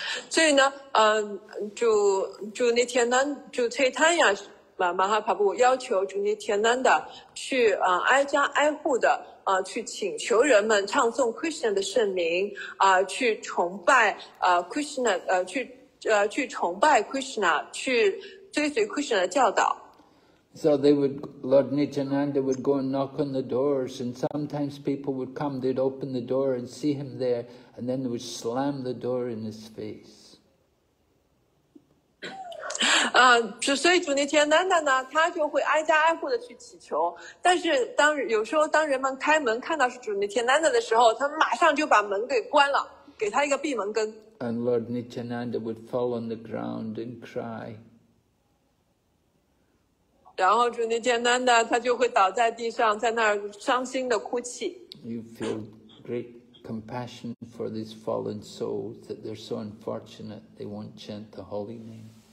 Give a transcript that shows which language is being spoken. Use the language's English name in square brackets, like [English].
[Chinese] 所以呢，就Nityananda，就Chaitanya Mahaprabhu要求就Nityananda去挨家挨户的去请求人们唱诵 Krishna 的圣名去崇拜Krishna 去崇拜 Krishna 去追随 Krishna 的教导。 [English] So they would, Lord Nityananda would go and knock on the doors, and sometimes people would come, they'd open the door and see him there, and then they would slam the door in his face. So, [Chinese] 主尼天南达呢，他就会挨家挨户的去祈求，但是当有时候当人们开门看到是主尼天南达的时候，他马上就把门给关了，给他一个闭门羹。 [English] And Lord Nityananda would fall on the ground and cry. [Chinese] 然后主尼天南达他就会倒在地上，在那儿伤心的哭泣。 [English] You feel great compassion for these fallen souls that they're so unfortunate they won't chant the holy name.